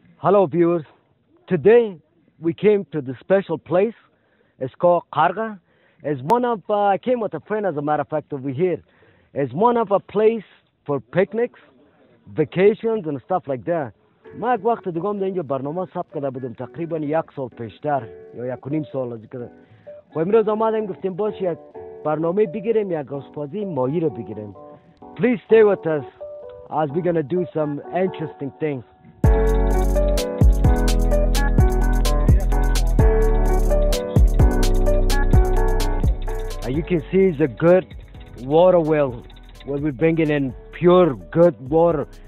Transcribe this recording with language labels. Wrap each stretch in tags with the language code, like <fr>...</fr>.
<en>Hello viewers, today we came to the special place. It's called Qarga. It's one of I came with a friend, as a matter of fact, over here. It's one of a place for picnics, vacations and stuff like that.</en> <fa>ما یک وقت دیگه هم در اینجا برنامه ثبت کرده بودم، تقریبا یک سال پیشتر یا یک و نیم سال از دیگه. خب امروز آمدیم گفتیم باش یک برنامه بگیریم، یک آشپزی ماهی رو بگیریم.</fa> <en>Please stay with us as we're going to do some interesting things. And you can see it's a good water well where we're bringing in pure good water.</en>